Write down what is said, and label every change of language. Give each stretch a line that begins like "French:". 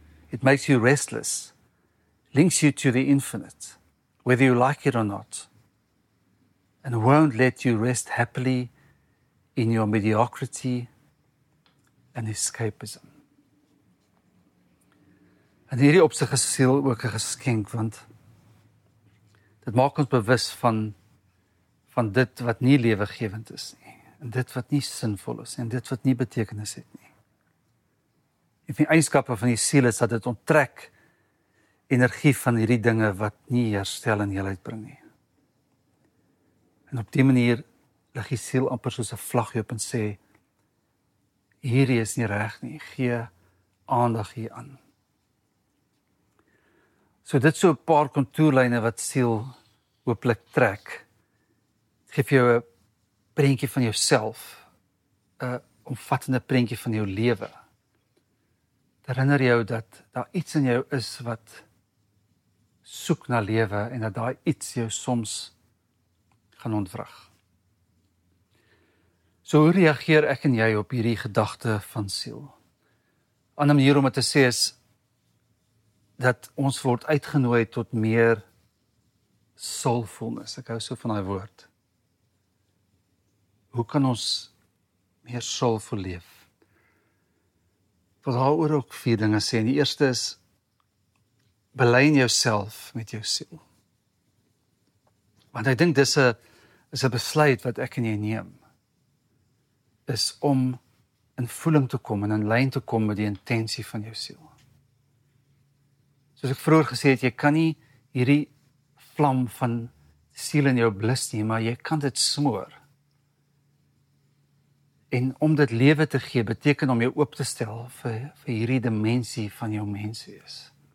English: It makes you restless, links you to the infinite, whether you like it or not, and won't let you rest happily in your mediocrity and escapism.
Afrikaans: En hierdie opsig is siel ook 'n geskenk, want dit maak ons bewus van dit wat nie lewegewend is nie. En dit wat nie sinvol is en dit wat nie betekenis het nie. En die eienskappe van die siel is dat dit onttrek energie van hierdie dinge wat nie herstel en heelheid bring nie. En op die manier lig die siel amper soos 'n vlag op en sê, hierdie is nie reg nie, gee aandag hier aan. So dit so 'n paar kontourlyne wat siel hooplik trek. Het geef jou 'n prentjie van jouself, 'n omvattende prentjie van jou lewe. Herinner jou dat daar iets in jou is wat soek na lewe en dat daar iets jou soms gaan ontwrig. So hoe reageer ek en jy op hierdie gedagte van siel? Ander manier om het te sê is dat ons word uitgenooi tot meer soulfulness. Ek hou so van die woord. Hoe kan ons meer soulful leef? Wat daaroor ook vier dinge sê. En die eerste is, belyn jouself met jou siel. Want ek dink dis 'n besluit wat ek en jy neem. Is om in voeling te kom en in lyn te kom met die intensie van jou siel. Soos ek vroeër gesê het, jy kan nie hierdie vlam van siel in jou blus nie, maar jy kan dit smoor. En om dit lewe te gee, beteken om jou oop te stel vir hierdie dimensie van jou mens wees.